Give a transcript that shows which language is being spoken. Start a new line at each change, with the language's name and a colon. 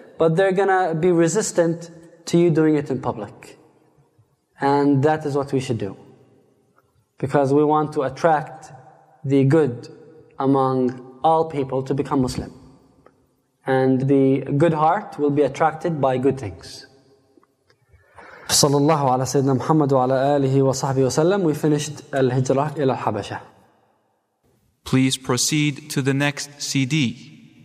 English: But they're going to be resistant to you doing it in public. And that is what we should do. Because we want to attract the good among all people to become Muslim. And the good heart will be attracted by good things.
Arabic: صلى الله على سيدنا محمد وعلى آله وصحبه وسلم.
English: We finished
Arabic: الهجرة إلى الحبشة.
English: Please proceed to the next CD.